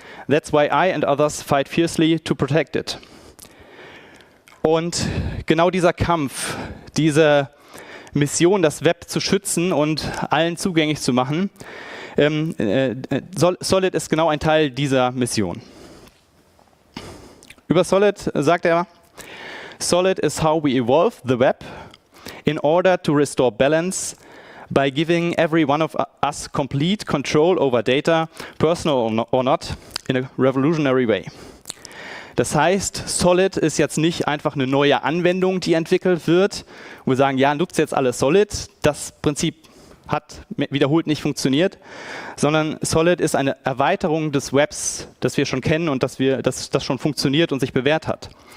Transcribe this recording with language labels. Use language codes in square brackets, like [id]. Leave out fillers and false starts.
[en] That's why I and others fight fiercely to protect it. [de] Und genau dieser Kampf, diese Mission, das Web zu schützen und allen zugänglich zu machen, Solid ist genau ein Teil dieser Mission. Über Solid sagt er: [en] Solid is how we evolve the web in order to restore balance by giving every one of us complete control over data, personal or not, in a revolutionary way. [de] Das heißt, Solid ist jetzt nicht einfach eine neue Anwendung, die entwickelt wird, wo wir sagen, ja, nutzt jetzt alle Solid. Das Prinzip hat wiederholt nicht funktioniert, sondern Solid ist eine Erweiterung des Webs, das wir schon kennen und das schon funktioniert und sich bewährt hat.